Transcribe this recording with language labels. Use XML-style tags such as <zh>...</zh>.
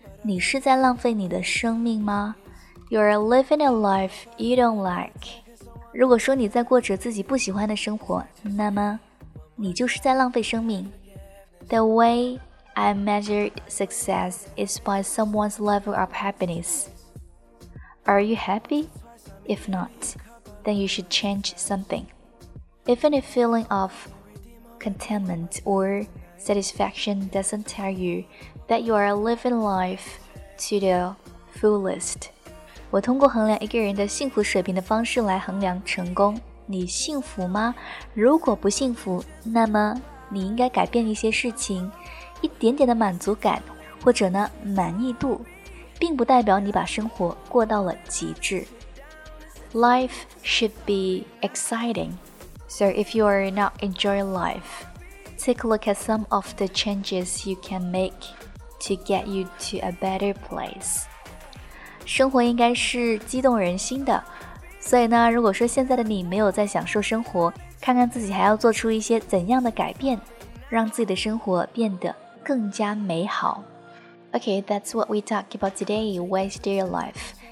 <zh>你是在浪费你的生命吗？</zh> <en>You're living a life you don't like。</en> <zh>如果说你在过着自己不喜欢的生活，那么你就是在浪费生命。</zh> <en>The way I measured success is by someone's level of happinessAre you happy? If not, then you should change something. Even if feeling of contentment or satisfaction doesn't tell you that you are living life to the fullest.</en> <zh>我通过衡量一个人的幸福水平的方式来衡量成功。你幸福吗？如果不幸福，那么你应该改变一些事情，一点点的满足感，或者呢，满意度。并不代表你把生活过到了极致。</zh> <en>Life should be exciting. So if you are not enjoying life, take a look at some of the changes you can make to get you to a better place.</en> <zh>生活应该是激动人心的，所以呢，如果说现在的你没有在享受生活，看看自己还要做出一些怎样的改变，让自己的生活变得更加美好。</zh> <en>Okay, that's what we talk about today. Waste your life.</en>